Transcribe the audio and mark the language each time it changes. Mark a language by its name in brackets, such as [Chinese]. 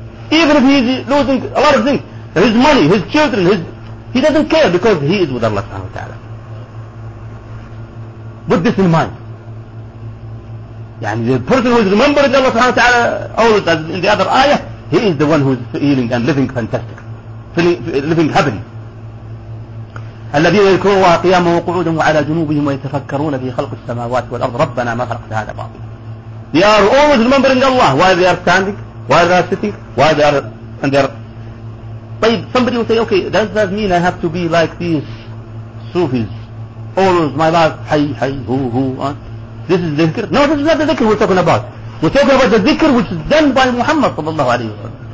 [English] Even if he is losing a lot of things, his money, his children, he doesn't care because he is with Allah subhanahu wa ta'ala. Put this in mind. Yani the person who is remembering Allah subhanahu wa ta'ala always, as in the other ayah, he is the one who is feeling and living fantastic, living happily. [Arabic] الذين يذكرون الله قياما وقعودا وعلى جنوبهم ويتفكرون في خلق السماوات والأرض ربنا ما خلقت هذا باطلا. [English] They are always remembering Allah while they are standing, while they are sitting, while they are and they are. طيب, somebody will say, okay, does that mean I have to be like these Sufis? Always my life, hi, hi, hu, hu, this is dhikr? No, this is not the dhikr we're talking about. We're talking about the dhikr which is done by Muhammad صلى الله عليه وسلم.